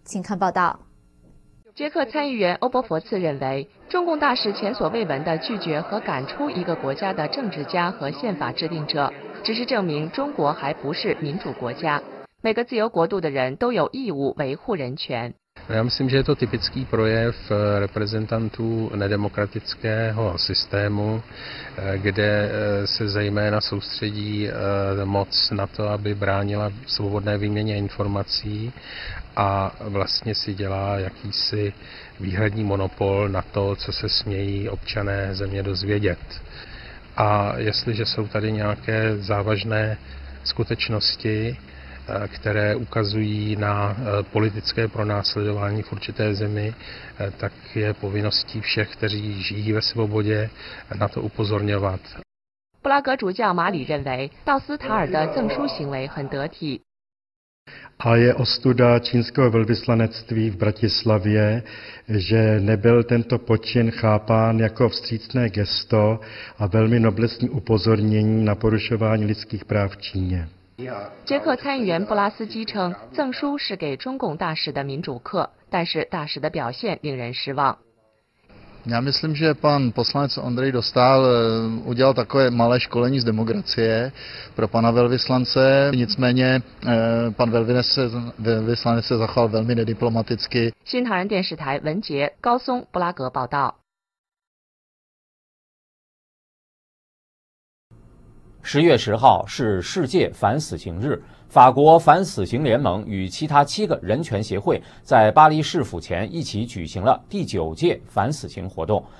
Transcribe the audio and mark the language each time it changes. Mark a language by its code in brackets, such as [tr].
[zh] 请看报道。捷克参议员欧伯佛茨认为，中共大使前所未闻地拒绝和赶出一个国家的政治家和宪法制定者，只是证明中国还不是民主国家。每个自由国度的人都有义务维护人权。 [cs] Já myslím, že je to typický projev reprezentantů nedemokratického systému, kde se zejména soustředí moc na to, aby bránila svobodné výměně informací a vlastně si dělá jakýsi výhradní monopol na to, co se smějí občané země dozvědět. A jestliže jsou tady nějaké závažné skutečnosti, které ukazují na politické pronásledování v určité zemi, tak je povinností všech, kteří žijí ve svobodě, na to upozorňovat. [zh] 布拉格主教马里认为，道斯塔尔的赠书行为很得体。 [cs] A je ostuda čínského velvyslanectví v Bratislavě, že nebyl tento počin chápán jako vstřícné gesto a velmi noblesní upozornění na porušování lidských práv v Číně. [zh] 捷克参议员布拉斯基称，赠书是给中共大使的民主课，但是大使的表现令人失望。 [cs] Já myslím, že pan poslanec Ondřej Dostál udělal takové malé školení z demokracie pro pana velvyslance. Nicméně pan velvyslanec se zachoval velmi nediplomaticky. [zh] 新唐人电视台文杰、高松、布拉格报道。 10月10号是世界反死刑日，法国反死刑联盟与其他七个人权协会在巴黎市府前一起举行了第九届反死刑活动。